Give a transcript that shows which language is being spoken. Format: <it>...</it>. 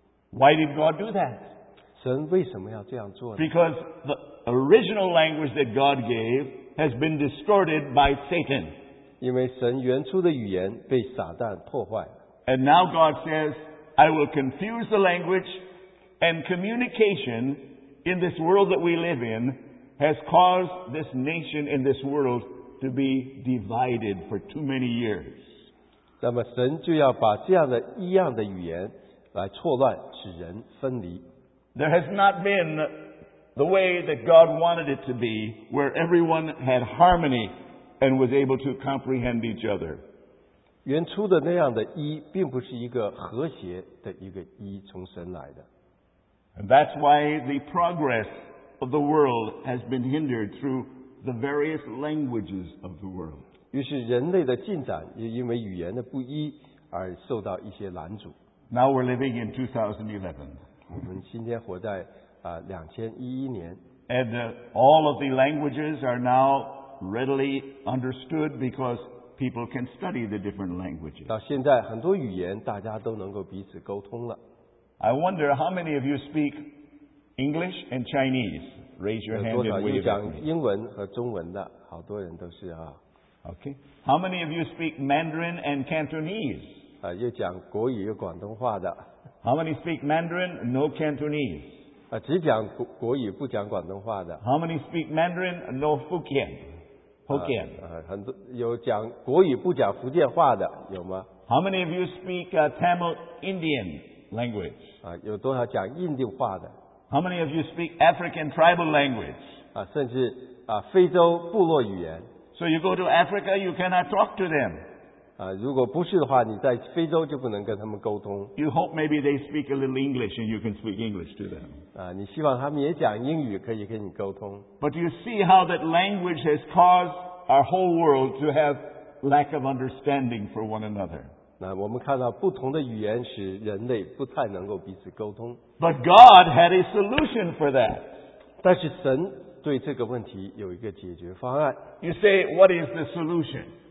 <en>Why did God do that?</en> <zh>神为什么要这样做呢？</zh> <en>Because the original language that God gave has been distorted by Satan.</en> <zh>因为神原初的语言被撒旦破坏。</zh> <en>And now God says, I will confuse the language and communication in this world that we live in has caused this nation in this world to be divided for too many years.</en> <zh>那么神就要把这样的一样的语言来错乱，使人分离。</zh> <en>There has not been the way that God wanted it to be, where everyone had harmony and was able to comprehend each other.</en> <zh>原初的那样的一并不是一个和谐的一个一从神来的。</zh> <en>And that's why the progress of the world has been hindered through the various languages of the world.</en> <zh>于是人类的进展也因为语言的不一而受到一些拦阻。</zh> <en>Now we're living in 2011.</en> <zh>我们今天活在2011年。</zh> <en>And all of the languages are now readily understood because people can study the different languages.</en> <zh>到现在很多语言大家都能够彼此沟通了。</zh> <en>I wonder how many of you speak English and Chinese. Raise your hand if you</en> <zh>speak 讲英文和中文的，好多人都是啊。</zh> <en>Okay. How many of you speak Mandarin and Cantonese?</en> <zh>又讲国语又广东话的。</zh> <en>How many speak Mandarin? No Cantonese.</en> <zh>只讲国语不讲广东话的。</zh> <en>How many speak Mandarin? No Fukien. Fukien.</en> <zh>有讲国语不讲福建话的有吗？</zh> <en>How many of you speak Tamil Indian language?</en> <zh>有多少讲印度话的？</zh> <en>How many of you speak African tribal language?</en> <zh>甚至非洲部落语言。</zh> <en>So you go to Africa, you cannot talk to them.</en> <zh>如果不是的话，你在非洲就不能跟他们沟通。</zh> <en>You hope maybe they speak a little English and you can speak English to them.</en> <zh>你希望他们也讲英语可以跟你沟通。</zh> <en>But you see how that language has caused our whole world to have lack of understanding for one another.</en> <zh>那我们看到不同的语言使人类不太能够彼此沟通。</zh> <en>But God had a solution for that.</en> <zh>但是神对这个问题有一个解决方案。</zh> <en>You say, what is the solution?</en>